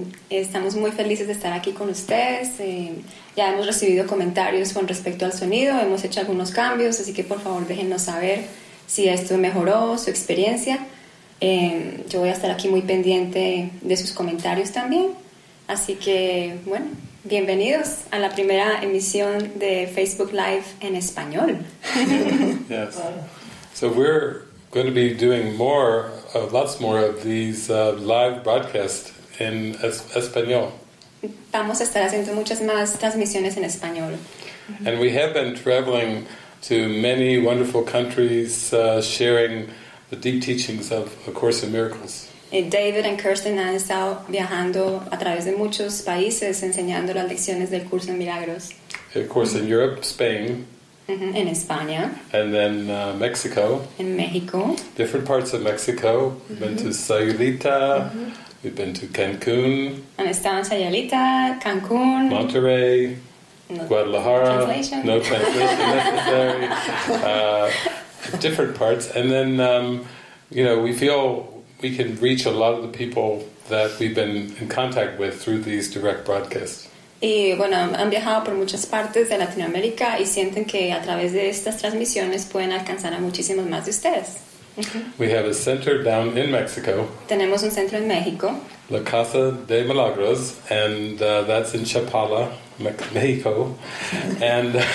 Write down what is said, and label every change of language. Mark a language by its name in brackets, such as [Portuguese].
[Spanish] Estamos muy felices de estar aquí con ustedes. Ya hemos recibido comentarios con respecto al sonido, hemos hecho algunos cambios, así que por favor déjenos saber si esto mejoró su experiencia. Yo voy a estar aquí muy pendiente de sus comentarios también. Así que, bueno, bienvenidos a la primera emisión de Facebook Live en español. [English] Yes. So we're going to be doing more, lots more of these live broadcasts in español. [Spanish] Vamos a estar haciendo muchas más transmisiones en español. [English] And we have been traveling to many wonderful countries, sharing the deep teachings of A Course in Miracles. [Spanish] David and Kirsten han estado viajando a través de muchos países enseñando las lecciones del curso en milagros. [English] Of course, in Europe, Spain. Mm-hmm. In España. And then Mexico. In Mexico. Different parts of Mexico. Mm-hmm. We've been to Sayulita. Mm-hmm. We've been to Cancun. [Spanish] Han estado en Sayulita, Cancun. Monterrey. No, Guadalajara. [English] No translation necessary. Different parts, and then you know, we feel we can reach a lot of the people that we've been in contact with through these direct broadcasts. [Spanish] Y bueno, han viajado por muchas partes de Latinoamérica y sienten que a través de estas transmisiones pueden alcanzar a muchísimos más de ustedes. [English] We have a center down in Mexico. [Spanish] Tenemos un centro en México. [English] La Casa de Milagros, and that's in Chapala, Mexico, and.